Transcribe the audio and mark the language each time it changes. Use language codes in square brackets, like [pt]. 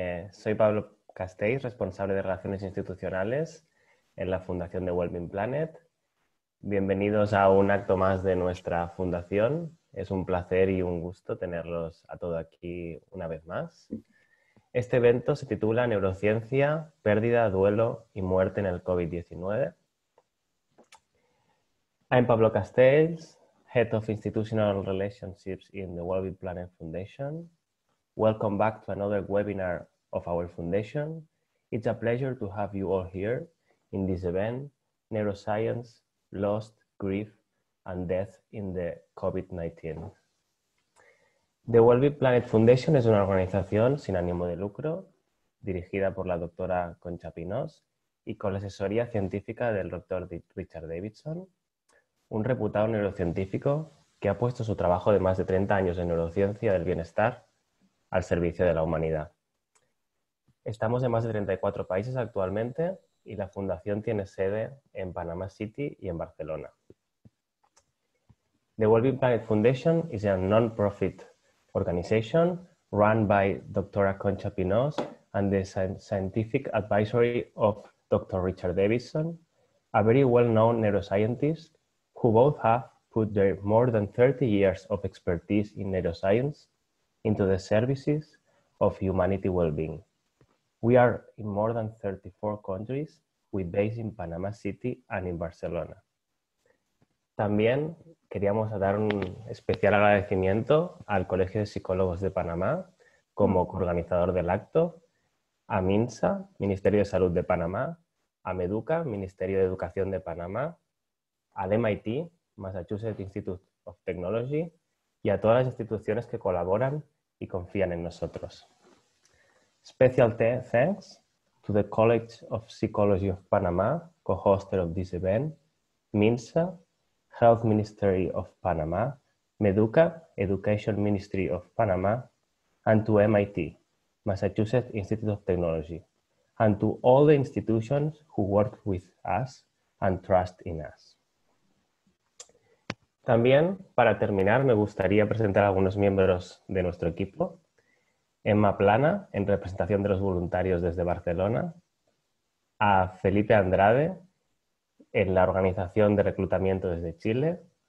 [es] Soy Pablo Castells, responsable de Relaciones Institucionales en la Fundación de Wellbeing Planet. Bienvenidos a un acto más de nuestra fundación. Es un placer y un gusto tenerlos a todos aquí una vez más. Este evento se titula Neurociencia, pérdida, duelo y muerte en el COVID-19. [en] I'm Pablo Castells, Head of Institutional Relationships in the Wellbeing Planet Foundation. Welcome back to another webinar of our foundation. It's a pleasure to have you all here in this event, Neuroscience, Lost, Grief, and Death in the COVID-19. [es] The Wellbeing Planet Foundation es una organización sin ánimo de lucro dirigida por la doctora Concha Pinós y con la asesoría científica del doctor Richard Davidson, un reputado neurocientífico que ha puesto su trabajo de más de 30 años en neurociencia del bienestar al servicio de la humanidad. Estamos en más de 34 países actualmente y la fundación tiene sede en Panama City y en Barcelona. [en] The Wellbeing Planet Foundation is a non-profit organization run by Dr. Concha Pinós and the scientific advisory of Dr. Richard Davidson, a very well-known neuroscientist who both have put their more than 30 years of expertise in neuroscience into the services of humanity well-being. We are in more than 34 countries, with base in Panama City and in Barcelona. [es] También queríamos dar un especial agradecimiento al Colegio de Psicólogos de Panamá como organizador del acto, a MINSA, Ministerio de Salud de Panamá, a MEDUCA, Ministerio de Educación de Panamá, al MIT, Massachusetts Institute of Technology, y a todas las instituciones que colaboran y confían en nosotros. [en] Special thanks to the College of Psychology of Panama, co-hoster of this event, MINSA, Health Ministry of Panama, MEDUCA, Education Ministry of Panama, and to MIT, Massachusetts Institute of Technology, and to all the institutions who work with us and trust in us. [es] También, para terminar, me gustaría presentar a algunos miembros de nuestro equipo. Emma Plana, en representación de los voluntarios desde Barcelona. A Felipe Andrade, en la organización de reclutamiento desde Chile.